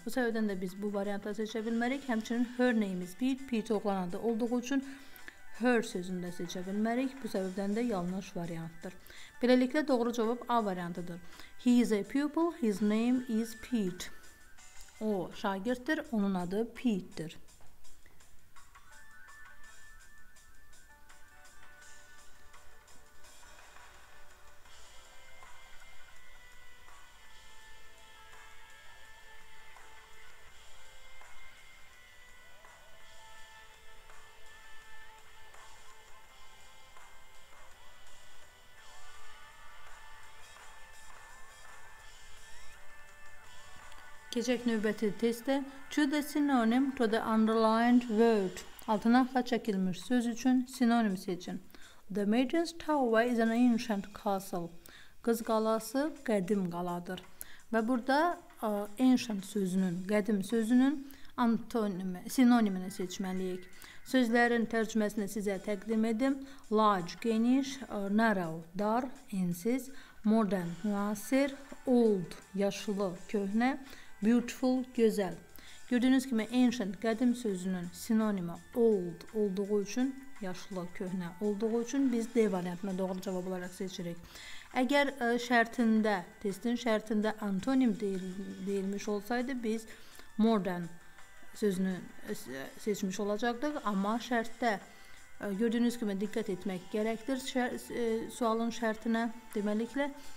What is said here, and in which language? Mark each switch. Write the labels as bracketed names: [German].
[Azerbaijani] Bu səbəbdən də biz bu variantı seçə bilmərik. Həmçinin [English] her name is Pete. [Azerbaijani] Pete oğlan adı olduğu üçün her sözünü də seçə bilmərik. Bu səbəbdən də yanlış variantdır. Beləliklə doğru cavab A variantıdır. [English] He is a pupil, his name is Pete. [Azerbaijani] O şagirddir, onun adı Pete'dir. Keçək növbəti testdə [English] to the synonym to the underlined word. [Azerbaijani] Altına xaç çəkilmiş söz üçün sinonim seçin. [English] The maiden's tower is an ancient castle. [Azerbaijani] Qız qalası qədim qaladır. Və burada ancient sözünün, qədim sözünün antonimi, sinonimini seçməliyik. Sözlərin tərcüməsini sizə təqdim edim. Large, geniş, narrow, dar, ensiz, modern, müasir, old, yaşlı, köhnə, beautiful, gözəl. Gördüyünüz kimi ancient, qədim sözünün sinonimi old olduğu üçün, yaşlı, köhnə olduğu üçün biz D variantına doğru cavab olaraq seçirik. Əgər şərtində, testin şərtində antonim deyilmiş olsaydı, biz modern sözünü seçmiş olacaqdıq. Amma şərtdə, gördüyünüz kimi diqqət etmək gərəkdir sualın şərtinə deməliklə.